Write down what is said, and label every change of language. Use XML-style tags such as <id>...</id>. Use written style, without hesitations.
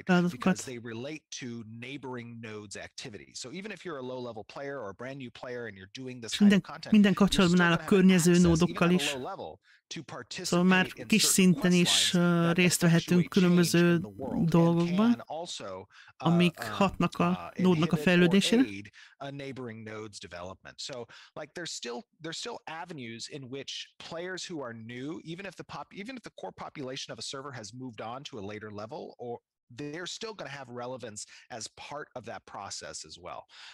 <en>because they relate to neighboring nodes activities. So even if you're a low level player or a brand new player and you're doing this kind of content,</en> <hu>minden kapcsolatban áll a környező nódokkal is. Szóval már kis szinten is részt vehetünk különböző dolgokban, amik hatnak a nódnak a fejlődésére.</hu> <en>A neighboring nodes development. So like there's still avenues in which players who are new, even if the core population of a server has moved on to a later level, or they're still going to have relevance as part of that process as well.</en>